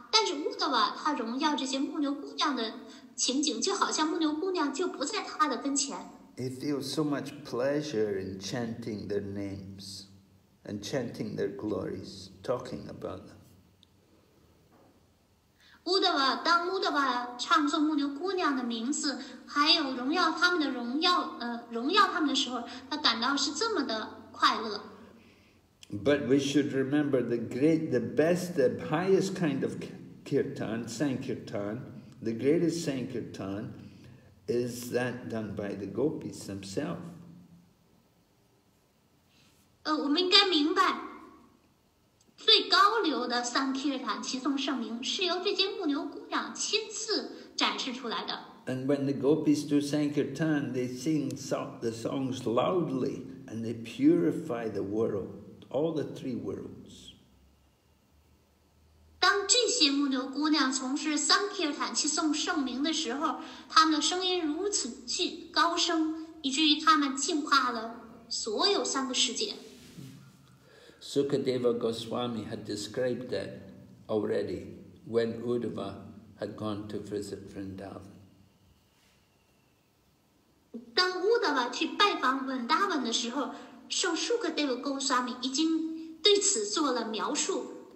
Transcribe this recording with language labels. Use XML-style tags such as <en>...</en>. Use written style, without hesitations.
<zh>但是Uddhava他荣耀这些牧牛姑娘的情景就好像牧牛姑娘就不在他的跟前。</zh> <en>He feels so much pleasure in chanting their names and chanting their glories, talking about them.</en> <zh>Uddhava, 当Uddhava唱诵牧牛姑娘的名字，还有荣耀他们的时候，他感到是这么的快乐。</zh> <en>But we should remember the highest kind of kirtan, sankirtan, the greatest sankirtan is that done by the gopis themselves.</en> <zh>我们应该明白，最高流的sankirtan, 齐颂圣名，是由这些牧牛姑娘亲自展示出来的。</zh> <en>And when the gopis do sankirtan, they sing the songs loudly and they purify the world. All the three worlds.</en> <zh>当这些牧牛姑娘从事桑提尔坦去送圣名的时候，她们的声音如此巨高声，以至于她们净化了所有三个世界。</zh> <en>Sukadeva Goswami had described that already when Uddhava had gone to visit Vrindavan.</en> <zh>当 Uddhava 去拜访 Vrindavan 的时候，圣苏格德高沙米已经对此做了描述。</zh>